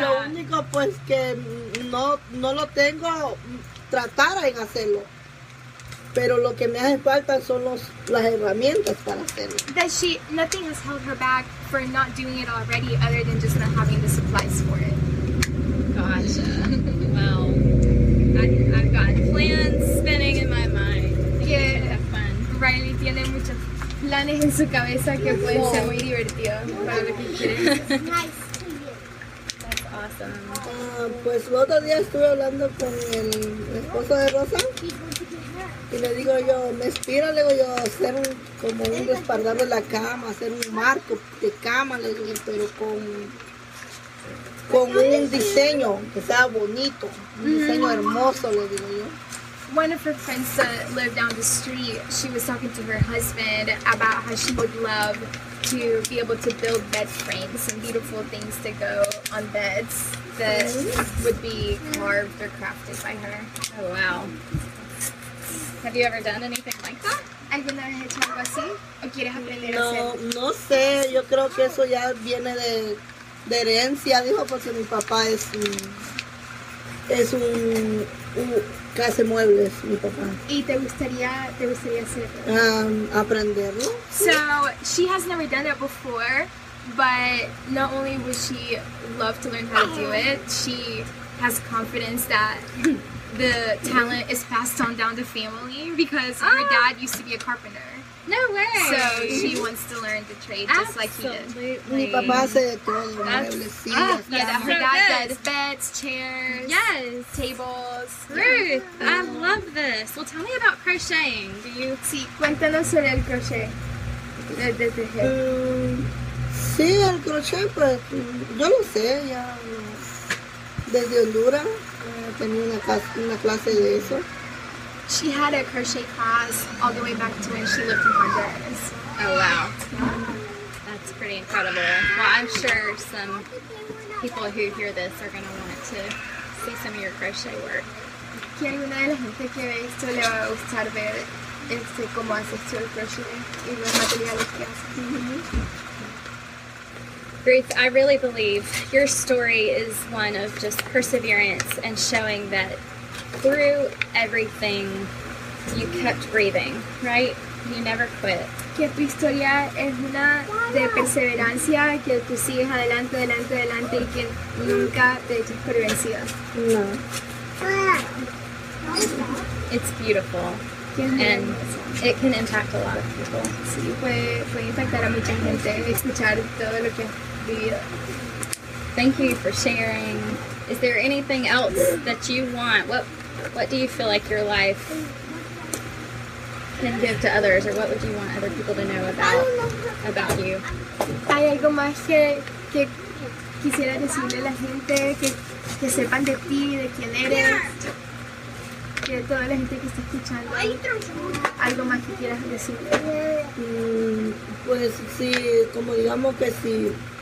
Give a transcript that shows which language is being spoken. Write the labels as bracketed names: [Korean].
[Spanish] Lo único pues que no lo tengo tratar en hacerlo. Pero lo que me hace falta son las herramientas para hacerlo. [English] That she, nothing has held her back for not doing it already other than just not having the supplies for it. Gotcha. Well, I've got plans spinning in my mind. Yeah. Have fun. [Spanish] Riley tiene muchos planes en su cabeza que pueden ser muy divertidos. [English] Nice. That's awesome. [Spanish] Pues el otro día estuve hablando con el esposo de Rosa y le digo yo, me inspira, le digo yo, hacer como un respaldar de la cama, hacer un marco de cama, le digo, pero con un diseño que sea bonito, un diseño hermoso, le digo yo. [English] One of her friends that lived down the street, she was talking to her husband about how she would love to be able to build bed frames and beautiful things to go on beds that would be carved or crafted by her. Oh, wow. Have you ever done anything like that? [Spanish] ¿Alguna vez hecho algo así? ¿O quieres aprender a hacer? No, no sé. Yo creo que eso ya viene de herencia, dijo, porque mi papá es un que hace muebles, mi papá. ¿Y te gustaría hacerlo? Aprenderlo. [English] So, she has never done it before, but not only would she love to learn how to do it, she has confidence that the talent is passed on down the family because her dad used to be a carpenter. No way! So she wants to learn the trade just absolutely like he did. [Spanish] Mi papá hace todo, muebles, sillas. [English] Yeah, that's her so dad good does beds, chairs, yes, tables. Ruth, yeah. I love this. Well, tell me about crocheting. Do you see? [Spanish] Cuéntanos sobre el crochet. De tejer. Sí, el crochet, pues, yo lo sé, ya. Desde Honduras, tenía una clase de eso. [English] She had a crochet class all the way back to when she lived in Honduras. Oh, wow. That's pretty incredible. Well, I'm sure some people who hear this are going to want to see some of your crochet work. [Spanish] ¿Quién de la gente que ve esto le va a gustar ver cómo haces tú el crocheting y los materiales que haces. [English] Ruth, I really believe your story is one of just perseverance and showing that through everything, you kept breathing, right? You never quit. [Spanish] Que tu historia es una de perseverancia, que tú sigues adelante, adelante, adelante, y que nunca te eches por vencida. No. [English] It's beautiful. And it can impact a lot of people. [Spanish] Sí, puede impactar a mucha gente escuchar todo lo que... [English] Thank you for sharing. Is there anything else that you want? What do you feel like your life can give to others, or what would you want other people to know about you? [Spanish] Hay algo más que quisiera decirle a la gente, que sepan de ti, de quién eres, que toda la gente que está escuchando. Algo más que quieras decirle. Pues sí, como digamos que sí.